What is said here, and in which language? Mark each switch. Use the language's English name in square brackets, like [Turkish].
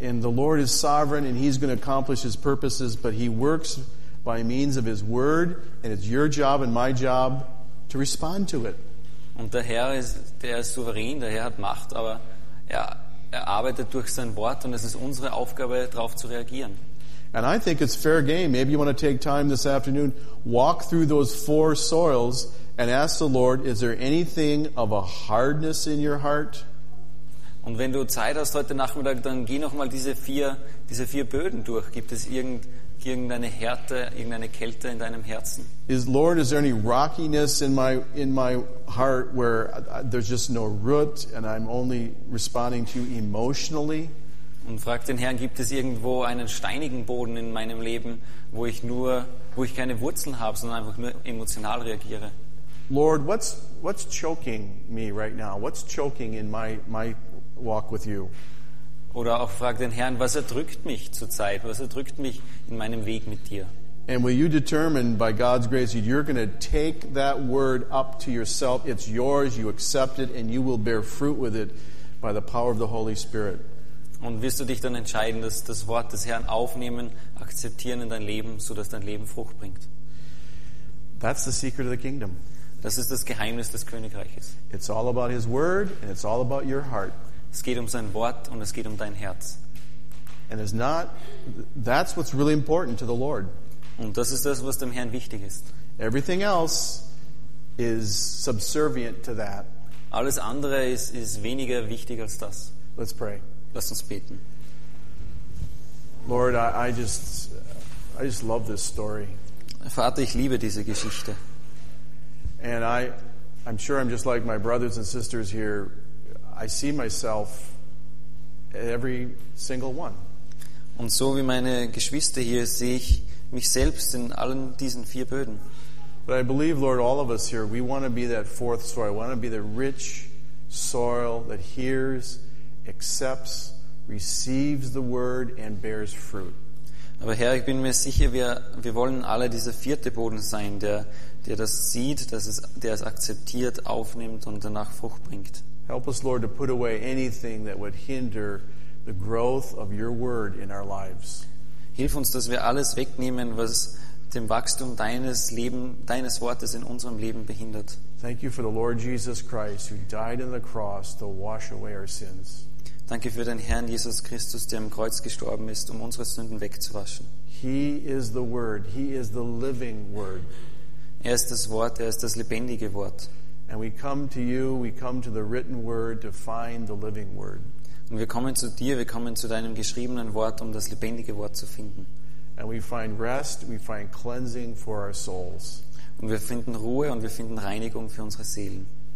[English] And the Lord is sovereign and he's going to accomplish his purposes, but he works by means of his word, and it's your job and my job to respond to it. [German] Und der Herr ist, der ist souverän, der Herr hat Macht, aber er arbeitet durch sein Wort und es ist unsere Aufgabe, darauf zu reagieren. [English] And I think it's fair game. Maybe you want to take time this afternoon, walk through those four soils and ask the Lord, is there anything of a hardness in your heart? [German] Und wenn du Zeit hast heute Nachmittag, dann geh nochmal diese vier Böden durch. Gibt es irgendeine Härte, irgendeine Kälte in deinem Herzen? [English] Lord, is there any rockiness in my heart where there's just no root and I'm only responding to you emotionally? [German] Und frag den Herrn, gibt es irgendwo einen steinigen Boden in meinem Leben, wo ich keine Wurzeln habe, sondern einfach nur emotional reagiere? [English] Lord, what's choking me right now? What's choking in my walk with you? [German] Oder auch frag den Herrn, was erdrückt mich zurzeit? Was erdrückt mich in meinem Weg mit dir? [English] And will you determine by God's grace that you're going to take that word up to yourself? It's yours, you accept it, and you will bear fruit with it by the power of the Holy Spirit. [German] Und wirst du dich dann entscheiden, dass das Wort des Herrn aufnehmen, akzeptieren in dein Leben, sodass dein Leben Frucht bringt? [English] That's the secret of the kingdom. [German] Das ist das Geheimnis des Königreiches. [English] It's all about his word and it's all about your heart. [German] Es geht um sein Wort und es geht um dein Herz. [English] And it's not, that's what's really important to the Lord. [German] Und das ist das, was dem Herrn wichtig ist. [English] Everything else is subservient to that. [German] Alles andere ist weniger wichtig als das. [English] Let's pray. [German] Lass uns beten. [English] Lord, I just love this story. [German] Vater, ich liebe diese Geschichte. [English] And I'm sure I'm just like my brothers and sisters here. I see myself in every single one. [German] Und so wie meine Geschwister hier, sehe ich mich selbst in allen diesen vier Böden. [English] But I believe, Lord, all of us here, we want to be that fourth soil. We want to be the rich soil that hears, accepts, receives the word and bears fruit. [German] Aber Herr, ich bin mir sicher, wir wollen alle dieser vierte Boden sein, der das sieht, der es akzeptiert, aufnimmt und danach Frucht bringt. [English] Help us, Lord, to put away anything that would hinder the growth of your word in our lives. [German] Hilf uns, dass wir alles wegnehmen, was dem Wachstum deines Wortes in unserem Leben behindert. [English] Thank you for the Lord Jesus Christ who died on the cross to wash away our sins. [German] Danke für den Herrn Jesus Christus, der am Kreuz gestorben ist, um unsere Sünden wegzuwaschen. [English] He is the word, he is the living word. [German] Er ist das Wort, er ist das lebendige Wort. [English] And we come to you, we come to the written word to find the living word. [German] Und wir kommen zu dir, wir kommen zu deinem geschriebenen Wort, um das lebendige Wort zu finden. [English] And we find rest, we find cleansing for our souls. [German] Und wir finden Ruhe und wir finden Reinigung für unsere Seelen.